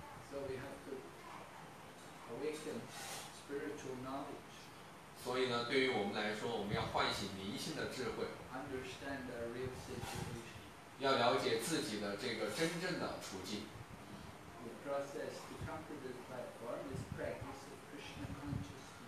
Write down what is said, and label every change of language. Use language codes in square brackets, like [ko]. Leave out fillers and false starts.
[en] So we have to awaken spiritual knowledge. [zh] 所以呢，对于我们来说，我们要唤醒灵性的智慧。 [en] Understand the real situation. [zh] 要了解自己的这个真正的处境。 [en] The process to come to this platform is practice of Krishna consciousness.